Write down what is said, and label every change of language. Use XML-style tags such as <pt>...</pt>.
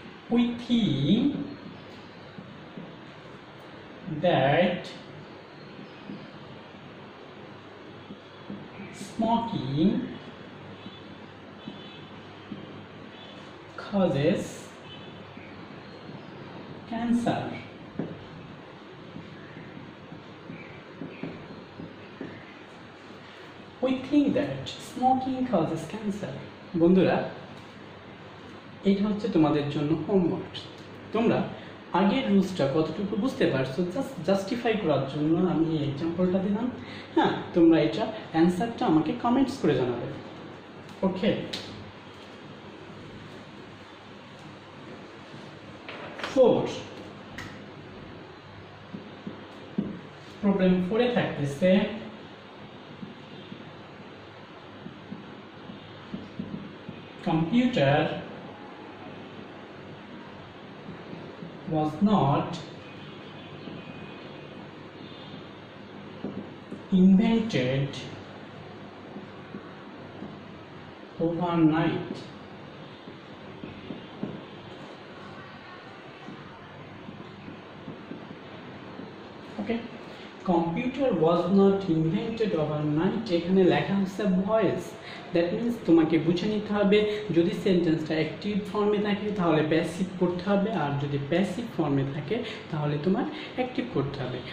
<en>We think that smoking causes cancer. We think that smoking causes cancer.</en> <bn>বন্ধুরা এটা হচ্ছে তোমাদের জন্য হোমওয়ার্ক। তোমরা আগের রুলসটা কতটুকু বুঝতে পারছো? জাস্ট জাস্টিফাই করার জন্য আমি এই এক্সাম্পলটা দিলাম। হ্যাঁ, তোমরা এটা অ্যান্সারটা আমাকে কমেন্টস করে জানাবে। ওকে, ফোর, প্রবলেম ফোরে থাকতেছে</bn> <en>Computer was not invented overnight. Okay, computer was not invented overnight.</en> <bn>এখানে লেখা হচ্ছে ভয়েস, দ্যাট মিন্স তোমাকে বুঝে নিতে হবে যদি সেন্টেন্সটা অ্যাক্টিভ ফর্মে থাকে তাহলে প্যাসিভ করতে হবে, আর যদি প্যাসিভ ফর্মে থাকে তাহলে তোমার অ্যাক্টিভ করতে হবে।</bn>